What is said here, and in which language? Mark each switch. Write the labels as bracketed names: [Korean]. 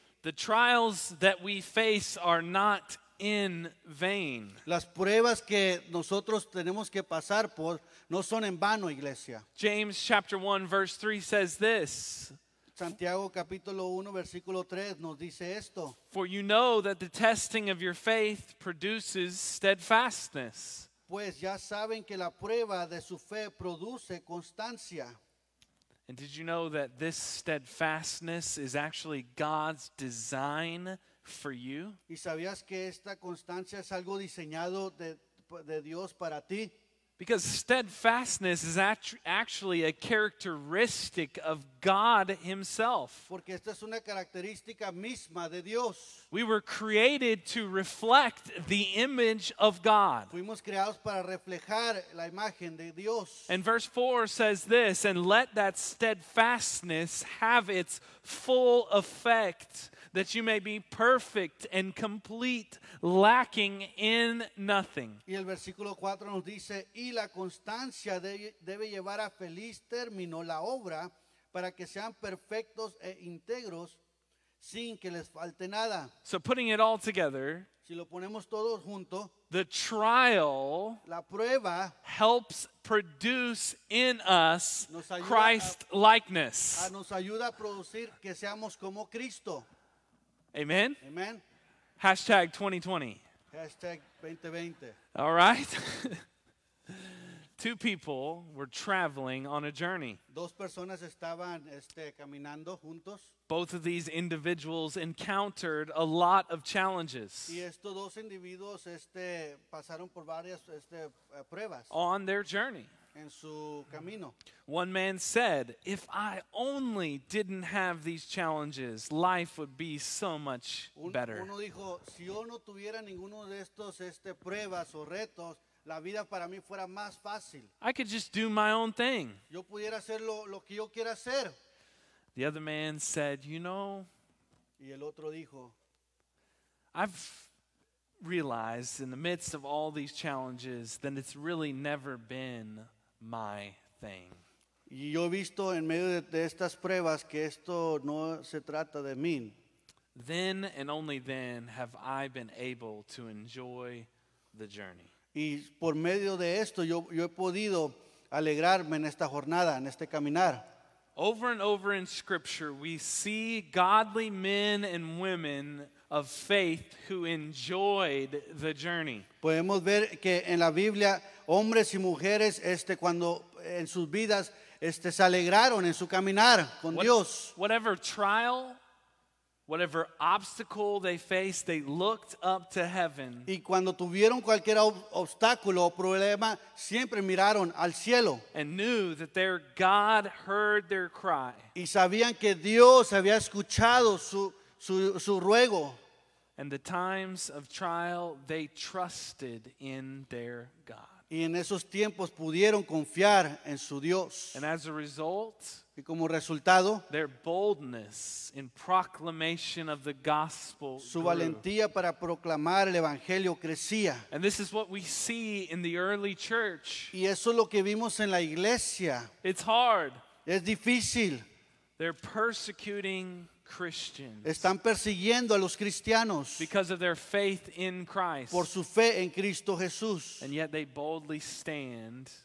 [English] The trials that we face are not in vain. [Spanish] Las pruebas que nosotros tenemos que pasar por no son en vano, iglesia. [English] James chapter 1 verse 3 says this. [Spanish] Santiago capítulo 1 versículo 3 nos dice esto. [English] For you know that the testing of your faith produces steadfastness. [Spanish] Pues ya saben que la prueba de su fe produce constancia. [English] And did you know that this steadfastness is actually God's design for you? [Spanish] ¿Y sabías que esta constancia es algo diseñado de Dios para ti? [English] Because steadfastness is actually a characteristic of God himself. [Spanish] Porque esta es una característica misma de Dios. [English] We were created to reflect the image of God. [Spanish] Fuimos creados para reflejar la imagen de Dios. [English] And verse 4 says this, "And let that steadfastness have its full effect, that you may be perfect and complete, lacking in nothing." [Spanish] Y el versículo 4 nos dice, "Y la constancia debe llevar a feliz término la obra para que sean perfectos e íntegros sin que les falte nada." [English] So putting it all together, [Spanish] si lo ponemos todo junto, [English] the trial, [Spanish] la prueba, [English] helps produce in us Christ likeness. [Spanish] Nos ayuda a producir que seamos como Cristo. [English] Amen. [Spanish] Amen. [English] Hashtag 2020. [Spanish] Hashtag 2020. [English] All right. Two people were traveling on a journey. [Spanish] Dos personas estaban caminando juntos. [English] Both of these individuals encountered a lot of challenges. [Spanish] Y estos dos individuos pasaron por varias pruebas. [English] On their journey. [Spanish] En su camino. [English] One man said, "If I only didn't have these challenges, life would be so much better." [Spanish] Uno dijo, "Si yo no tuviera ninguno de estos pruebas o retos, la vida para mí fuera más fácil. [English] I could just do my own thing." [Spanish] Yo pudiera hacer lo que yo quiera hacer. [English] The other man said, "You know," [Spanish] y el otro dijo, [English] "I've realized in the midst of all these challenges that it's really never been my thing." [Spanish] Y yo he visto en medio de estas pruebas que esto no se trata de mí. [English] "Then and only then have I been able to enjoy the journey." [Spanish] Y por medio de esto yo he podido alegrarme en esta jornada, en este caminar. [English] Over and over in Scripture we see godly men and women of faith who enjoyed the journey. [Spanish] Podemos ver que en la Biblia hombres y mujeres cuando en sus vidas se alegraron en su caminar con Dios. [English] Whatever trial, whatever obstacle they faced, they looked up to heaven. [Spanish] Y cuando tuvieron cualquier obstáculo o problema, siempre miraron al cielo. [English] And knew that their God heard their cry. [Spanish] Y sabían que Dios había escuchado su ruego. [English] And the times of trial, they trusted in their God. [Spanish] Y en esos tiempos pudieron confiar en su Dios. [English] And as a result, [Spanish] y como resultado, [English] their boldness in proclamation of the gospel grew. [Spanish] Su valentía para proclamar el evangelio crecía. [English] And this is what we see in the early church. [Spanish] Y eso es lo que vimos en la iglesia. [English] It's hard. [Spanish] Es difícil. [English] They're persecuting Christians. [Spanish] Están persiguiendo a los cristianos. [English] Because of their faith in Christ. [Spanish] Por su fe en Cristo Jesús. [English] And yet they boldly stand.